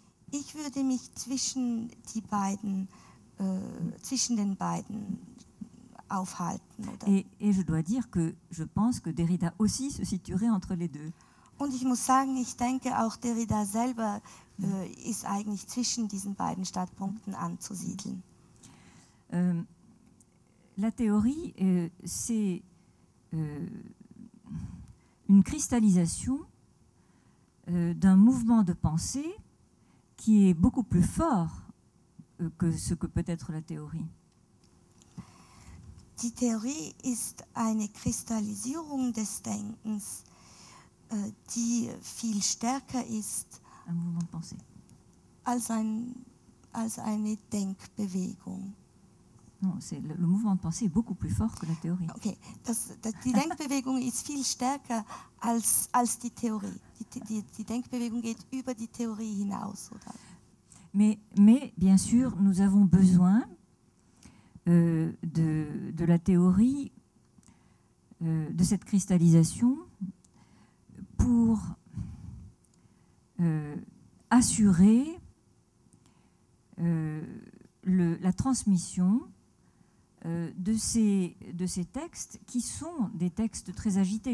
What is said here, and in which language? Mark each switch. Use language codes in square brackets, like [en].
[de] Ich würde mich zwischen die beiden zwischen den beiden aufhalten, oder? [fr] Et je dois dire que je pense que Derrida aussi se situerait entre les deux. [de] Und ich muss sagen, ich denke auch Derrida selber ist eigentlich zwischen diesen beiden Standpunkten anzusiedeln. [fr] La théorie c'est une cristallisation d'un mouvement de pensée qui est beaucoup plus fort que ce que peut être la théorie. [de] Die Theorie ist eine Kristallisierung des Denkens, die viel stärker ist als eine Denkbewegung. [fr] Non, c'est le mouvement de pensée est beaucoup plus fort que la théorie. [de] Okay, die Denkbewegung ist viel stärker als die Theorie. Die Denkbewegung geht über die Theorie hinaus, oder? [fr] Mais bien sûr, nous avons besoin de la théorie, de cette cristallisation, pour assurer la transmission de ces textes qui sont des textes très agités.